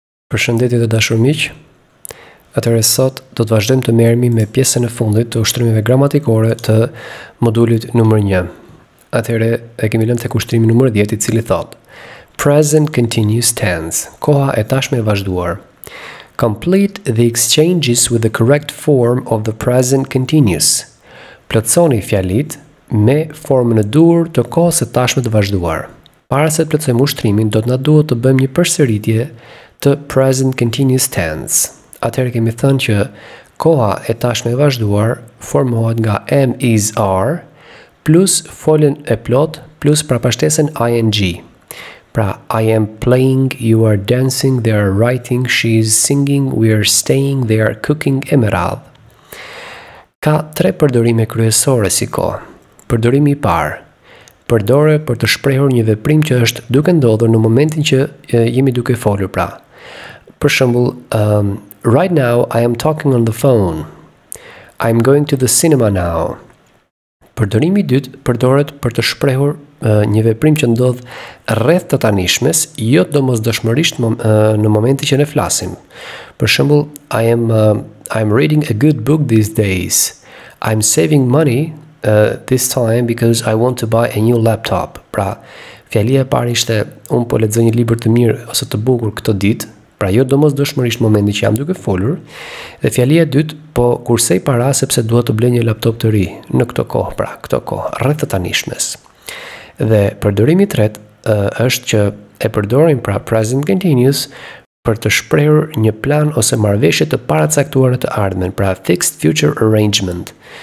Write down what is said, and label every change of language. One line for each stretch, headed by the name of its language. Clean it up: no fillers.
Albanian: Përshëndetje të dashur miq. Atëherë sot do të vazhdojmë të merremi me pjesën e fundit të ushtrimeve gramatikore të modulit numër 1. Atëherë e kemi lënë tek ushtrimi numër 10 I cili thotë:
English: Present continuous tense.
Albanian: Koha e tashme e vazhduar.
English: Complete the exchanges with the correct form of the present continuous.
Albanian: Plotësoni fjalit me formën e dur të kohës së tashme të vazhduar. Para se të plotësojmë ushtrimin, do të na duhet të bëjmë një përsëritje të present continuous tense. Atëherë kemi thënë që koha e tashme e vazhduar formohet nga am, is, are plus foljen e plot plus prapashtesën ing.
English: Pra, I am playing, you are dancing, they are writing, she is singing, we are staying, they are cooking, e me radhë.
Albanian: Ka tre përdorime kryesore si kohë. Përdorimi I parë. Përdore për të shprehur një veprim që është duke ndodhur në momentin që jemi duke folur pra. Për shembull,
English: right now I am talking on the phone. I'm going to the cinema now.
Albanian: Përdorimi I dytë përdoret për të shprehur një veprim që ndodh rreth të tanishmes, jo domosdoshmërisht në momentin që ne flasim. Për shembull,
English: I am reading a good book these days. I'm saving money this time because I want to buy a new laptop.
Albanian: Pra, fjalia e parë ishte un po lexoj një libër të mirë ose të bukur këtë ditë. Pra jo domosdoshmërisht momentin që jam duke folur. Dhe fjalia e dytë, po kursej para sepse dua të blej një laptop të ri në këtë kohë, pra këtë kohë, rreth të tanishmes. Dhe përdorimi I tretë është që e përdorim pra present continuous për të shprehur një plan ose marrëveshje të paracaktuar në të ardhmen, pra
English: fixed future arrangement.